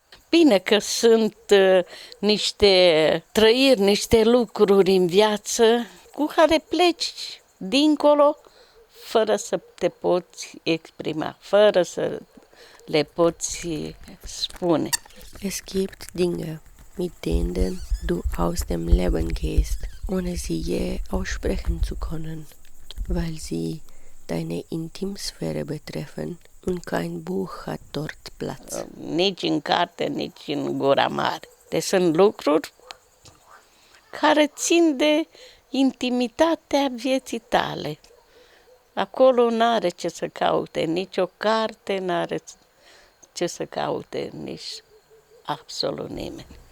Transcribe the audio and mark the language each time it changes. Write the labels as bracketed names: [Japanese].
[Romanian] Bine că sunt niște trăiri, niște lucruri în viață cu care pleci dincolo fără să te poți exprima, fără să le poți spune. [German] Es gibt Dinge, mit denen du aus dem Leben gehst, ohne sie je aussprechen zu können, weil sie deine Intimsphäre betreffen. Und kein Buch hat dort Platz. [Romanian] Nici în carte, nici în gura mare. Deci sunt lucruri care țin de intimitatea vieții tale. Acolo n-are ce să caute, nici o carte n-are ce să caute, nici absolut nimeni.